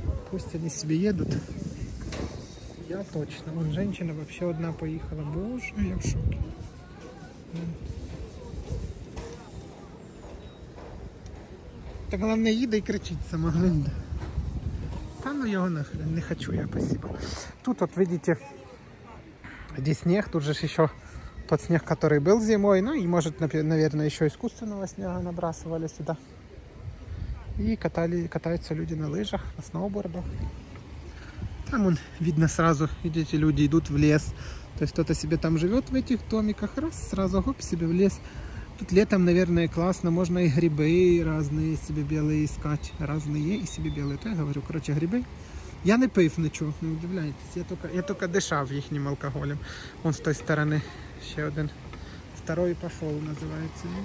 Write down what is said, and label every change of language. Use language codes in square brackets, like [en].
[uk] Пусть вони собі їдуть. Я точно. Вон, жінка взагалі одна поїхала. Боже, я в шокі. Та головне, їде і кричить сама, гляньте. Та ну його нахрен, не хочу я, спасибо. [ru] Тут от, видите, здесь снег, тут же еще тот снег, который был зимой. Ну и может, наверное, еще искусственного снега набрасывали сюда. И катаются люди на лыжах, на сноубордах. Там вон, видно сразу, видите, люди идут в лес. То есть кто-то себе там живет в этих домиках, раз, сразу хоп, себе в лес. Тут летом, наверное, классно, можно и грибы разные себе белые искать. Разные и себе белые, то я говорю, короче, грибы. [uk] Я не пив нічого, не удивляйтесь, я тільки дишав їхнім алкоголем. Вон з тої сторони ще один, второй пошел називається.